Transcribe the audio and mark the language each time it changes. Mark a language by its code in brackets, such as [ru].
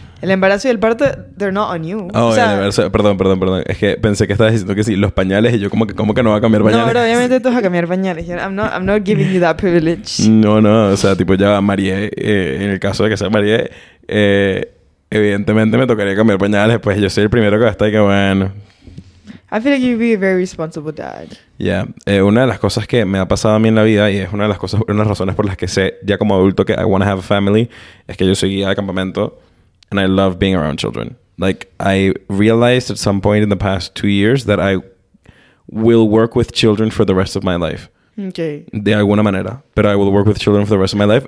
[es] El embarazo y el parto, [en] they're not on you. [es] Oh, o sea, el embarazo... Perdón. Es que pensé que estabas diciendo que sí, los pañales. Y yo, ¿cómo que no va a cambiar pañales? No, pero obviamente tú vas a cambiar pañales. [en] I'm not giving you that privilege. [es] No. O sea, tipo, ya Marie, en el caso de que sea Marie... evidentemente me tocaría cambiar pañales. Pues yo soy el primero que va a estar y que, bueno... [en] I feel like you'd be a very responsible dad. Yeah. [es] Una de las cosas que me ha pasado a mí en la vida y es una de las cosas, una de las razones por las que sé ya como adulto que [en] I want to have a family [es] es que yo soy guía de campamento [en] and I love being around children. Like, I realized at some point in the past 2 years that I will work with children for the rest of my life. Okay. [es] De alguna manera. [en] But I will work with children for the rest of my life.